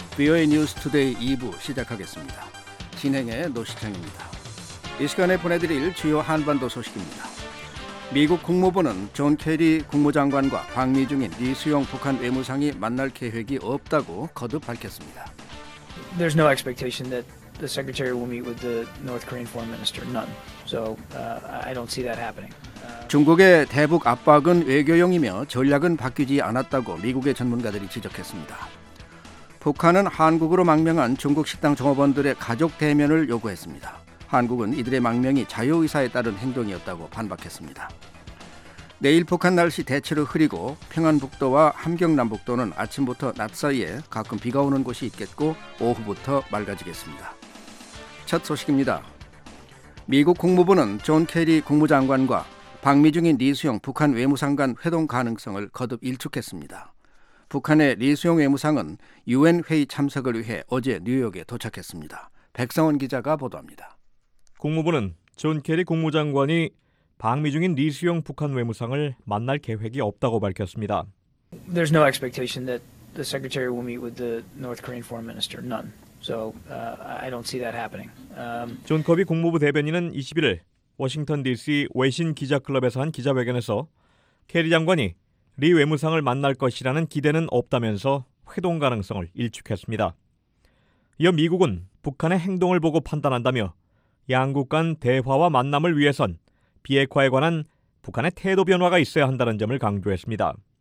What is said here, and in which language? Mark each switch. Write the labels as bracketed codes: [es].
[ko] VOA 뉴스 투데이 2부 시작하겠습니다. 진행의 노시청입니다. 이 시간에 보내드릴 주요 한반도 소식입니다. 미국 국무부는 존 케리 국무장관과 방미 중인 리수용 북한 외무상이 만날 계획이 없다고 거듭 밝혔습니다. [en] There's no expectation that the secretary will meet with the North Korean foreign minister. None. So I don't see that happening. [ko] 중국의 대북 압박은 외교용이며 전략은 바뀌지 않았다고 미국의 전문가들이 지적했습니다. 북한은 한국으로 망명한 중국 식당 종업원들의 가족 대면을 요구했습니다. 한국은 이들의 망명이 자유의사에 따른 행동이었다고 반박했습니다. 내일 북한 날씨 대체로 흐리고 평안북도와 함경남북도는 아침부터 낮 사이에 가끔 비가 오는 곳이 있겠고 오후부터 맑아지겠습니다. 첫 소식입니다. 미국 국무부는 존 케리 국무장관과 방미 중인 리수용 북한 외무상 간 회동 가능성을 거듭 일축했습니다. 북한의 리수용 외무상은 UN 회의 참석을 위해 어제 뉴욕에 도착했습니다. 백성원 기자가 보도합니다. 국무부는 존 케리 국무장관이 방미 중인 리수용 북한 외무상을 만날 계획이 없다고 밝혔습니다. [en] There's no expectation that the secretary will meet with the North Korean foreign minister. None. So I don't see that happening. [ko] 존 커비 국무부 대변인은 21일 워싱턴 DC 외신 기자클럽에서 한 기자회견에서 케리 장관이 리 외무상을 만날 것이라는 기대는 없다면서 회동 가능성을 일축했습니다. 이어 미국은 북한의 행동을 보고 판단한다며 양국 간 대화와 만남을 위해선 비핵화에 관한 북한의 태도 변화가 있어야 한다는 점을 강조했습니다.